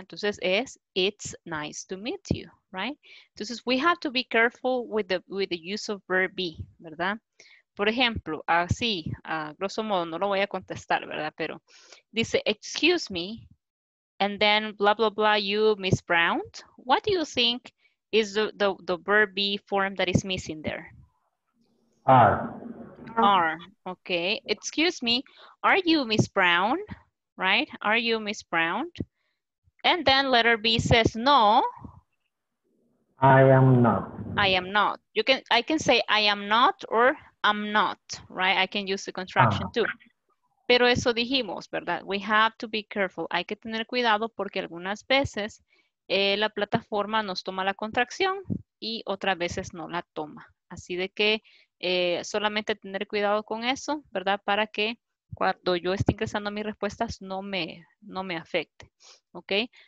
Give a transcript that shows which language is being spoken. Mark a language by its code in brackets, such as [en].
[es] Entonces es [en] it's nice to meet you, right? [es] Entonces [en] we have to be careful with the use of verb be, ¿verdad? [es] Por ejemplo, así, grosso modo, no lo voy a contestar, ¿verdad? Pero dice [en] excuse me, and then blah blah blah you Miss Brown. What do you think is the verb be form that is missing there? Are. Okay. Excuse me. Are you Miss Brown? Right? Are you Miss Brown? And then letter B says no. I am not. I am not. I can say I am not or I'm not, right? I can use the contraction too. [es] Pero eso dijimos, ¿verdad? [en] We have to be careful. [es] Hay que tener cuidado porque algunas veces la plataforma nos toma la contracción y otras veces no la toma. Así de que solamente tener cuidado con eso, ¿verdad? Para que cuando yo esté ingresando mis respuestas, no me afecte, ¿ok?